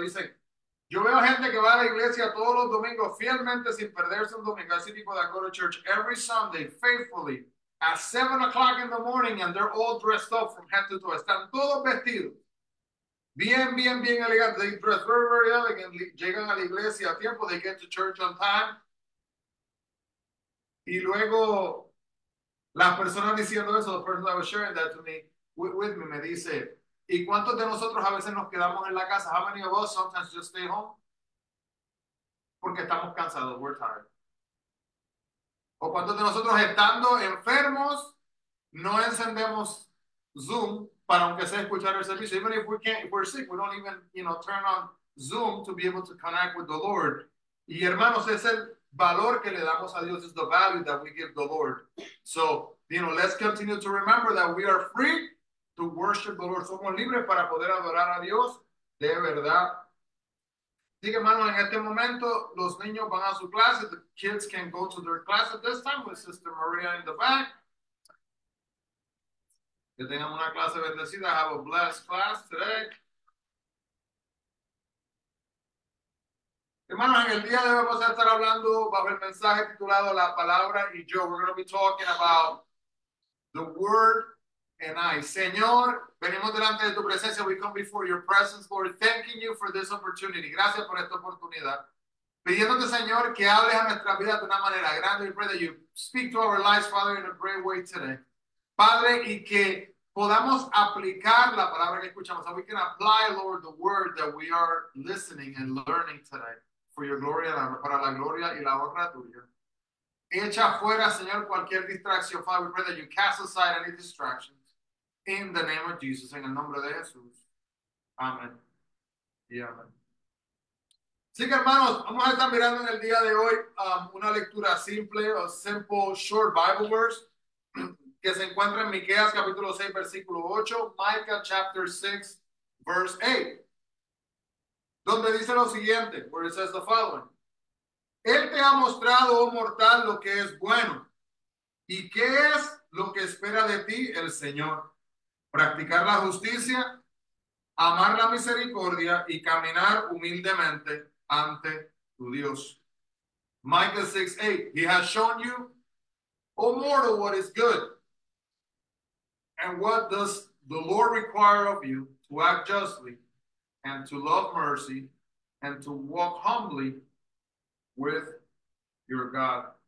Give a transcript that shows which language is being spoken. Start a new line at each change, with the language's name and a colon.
Spanish: Dicen, yo veo gente que va a la iglesia todos los domingos fielmente sin perderse un domingo.
English: I see people that go to church every Sunday faithfully at 7:00 in the morning and they're all dressed up from head to toe.
Spanish: Están todos vestidos. Bien, bien, bien elegantes.
English: They dress very, very elegant.
Spanish: Llegan a la iglesia a tiempo.
English: They get to church on time.
Spanish: Y luego, las personas diciendo eso,
English: the person that was sharing that to me, with me,
Spanish: me dice, ¿y cuántos de nosotros a veces nos quedamos en la casa?
English: How many of us sometimes just stay home?
Spanish: Porque estamos cansados,
English: we're tired.
Spanish: ¿O cuántos de nosotros estando enfermos no encendemos Zoom para aunque sea escuchar el servicio?
English: Even if we're sick, we don't even, turn on Zoom to be able to connect with the Lord.
Spanish: Y hermanos, es el valor que le damos a Dios,
English: is the value that we give the Lord. So, let's continue to remember that we are free to worship the Lord.
Spanish: Somos libres para poder adorar a Dios de verdad. Así que, hermano, en este momento los niños van a su clase.
English: The kids can go to their class at this time with Sister Maria in the back.
Spanish: Que tengan una clase bendecida.
English: Have a blessed class today.
Spanish: Hermanos, en el día de hoy vamos a estar hablando bajo el mensaje titulado La Palabra y Yo.
English: We're going to be talking about the Word and I.
Spanish: Señor, venimos delante de tu presencia.
English: We come before your presence, Lord, thanking you for this opportunity.
Spanish: Gracias por esta oportunidad. Pidiéndote, Señor, que hables a nuestra vida de una manera grande.
English: We pray that you speak to our lives, Father, in a great way today.
Spanish: Padre, y que podamos aplicar la palabra que escuchamos.
English: So we can apply, Lord, the word that we are listening and learning today. For your glory,
Spanish: para la gloria y la honra tuya. Echa fuera, Señor, cualquier distracción.
English: Father, we pray that you cast aside any distractions. In the name of Jesus,
Spanish: en el nombre de Jesús. Amen. Y amen. Así que, hermanos, vamos a estar mirando en el día de hoy una lectura simple,
English: a simple short Bible verse,
Spanish: que se encuentra en Miqueas capítulo 6, versículo 8,
English: Micah chapter 6, verse 8,
Spanish: donde dice lo siguiente,
English: where it says the following.
Spanish: Él te ha mostrado, oh mortal, lo que es bueno, y qué es lo que espera de ti el Señor, practicar la justicia, amar la misericordia y caminar humildemente ante tu Dios.
English: Micah 6, 8, he has shown you, oh mortal, what is good. And what does the Lord require of you? To act justly and to love mercy and to walk humbly with your God.